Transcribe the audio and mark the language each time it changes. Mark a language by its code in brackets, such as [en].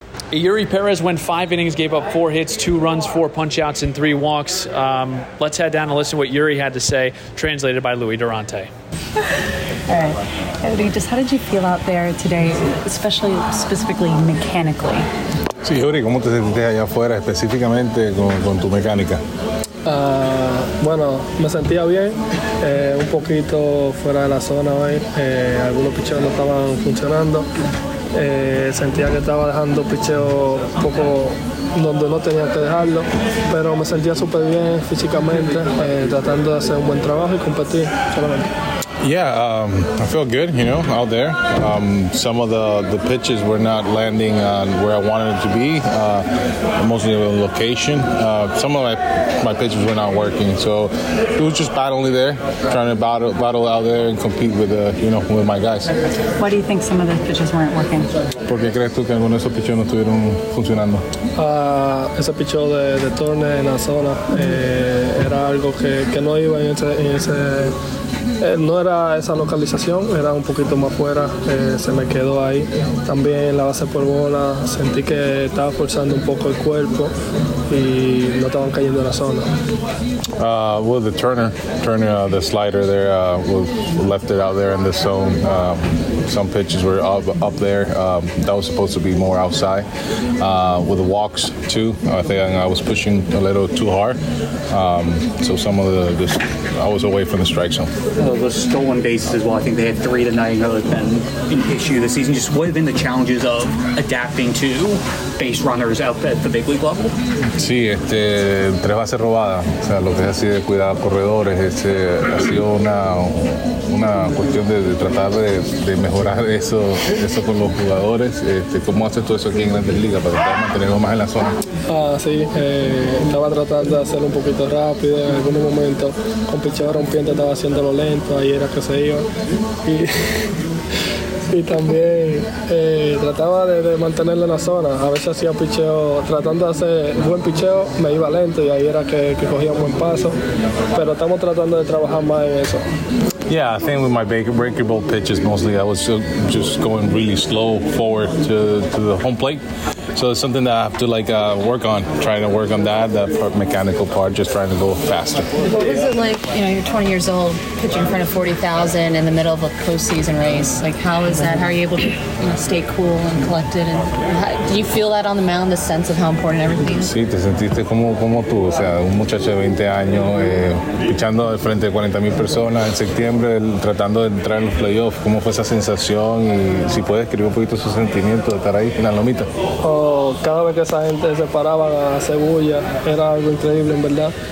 [en] Eury Pérez went 5 innings, gave up 4 hits, 2 runs, 4 punch-outs, and 3 walks. Let's head down and listen to what Eury had to say, translated by Louis Durante. All right. Just how did you feel out there today, especially specifically mechanically? [es] Sí, Eury, ¿cómo te sentiste allá afuera, específicamente con tu mecánica? Bueno, me sentía bien, un poquito fuera de la zona hoy, algunos picheos no estaban funcionando, sentía que estaba dejando picheos un poco donde no tenía que dejarlo, pero me sentía súper bien físicamente, tratando de hacer un buen trabajo y competir solamente. [en] Yeah, I feel good, out there. Some of the pitches were not landing on where I wanted it to be, mostly the location. Some of my pitches were not working, so it was just battling there, trying to battle out there and compete with my guys. Why do you think some of those pitches weren't working? [es] Porque crees tú que algunos de esos pitches no estuvieron funcionando? Ese picheo de Turner en la zona era algo que no iba en ese. No era esa localización, era un poquito más fuera, se me quedó ahí. También la base por bola, sentí que estaba forzando un poco el cuerpo y no estaban cayendo en la zona. [en] Well, the Turner, the slider there, left it out there in the zone. Some pitches were up there. That was supposed to be more outside. With the walks, too, I think I was pushing a little too hard. So some of the, just, I was away from the strike zone. The stolen bases as well, I think they had three tonight. I know it's been an issue this season. Just what have been the challenges of adapting to base runners out at the big league level? [es] Sí, tres bases robadas. O sea, lo que es así de cuidar corredores, ha sido una cuestión de tratar de mejorar eso con los jugadores. ¿Cómo haces todo eso aquí en Grandes Ligas para mantenerlo más en la zona? Sí, estaba tratando de hacerlo un poquito rápido en algún momento. Con picheo rompiente estaba haciéndolo lento, ahí era que se iba. Y también trataba de mantenerlo en la zona. A veces hacía picheo, tratando de hacer buen picheo, me iba lento y ahí era que cogía un buen paso. Pero estamos tratando de trabajar más en eso. [en] Yeah, I think with my breakable pitches mostly, I was just going really slow forward to the home plate. So it's something that I have to work on, trying to work on that part, mechanical part, just trying to go faster. What was it like, you're 20 years old, pitching in front of 40,000 in the middle of a postseason race? How is that? How are you able to stay cool and collected? And do you feel that on the mound, the sense of how important everything is? [es] Sí, te sentiste como tú, o sea, un muchacho de 20 años, pichando de frente a 40,000 personas en septiembre, tratando de entrar en los playoffs. ¿Cómo fue esa sensación? Y si puedes escribir un poquito su sentimiento de estar ahí en la lomita. Cada vez que esa gente se paraba a hacer bulla, era algo increíble, en verdad.